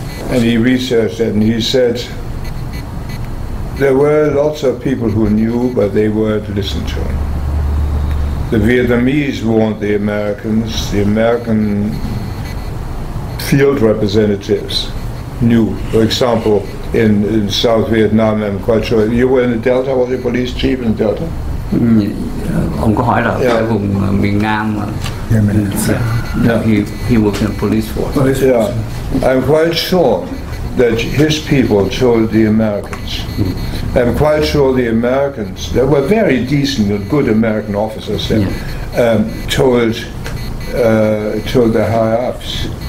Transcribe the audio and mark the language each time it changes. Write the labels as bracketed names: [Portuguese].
[English] And he researched it, and he said, there were lots of people who knew, but they weren't listened to. The Vietnamese warned the Americans, the American field representatives knew. For example, in South Vietnam, I'm quite sure, you were in the Delta, was the police chief in the Delta? [Vietnamese] Ông có hỏi là cái vùng miền Nam mà. [English] Yeah, he worked in police force. Yeah. I'm quite sure that his people told the Americans. I'm quite sure the Americans, there were very decent and good American officers there, told the higher-ups.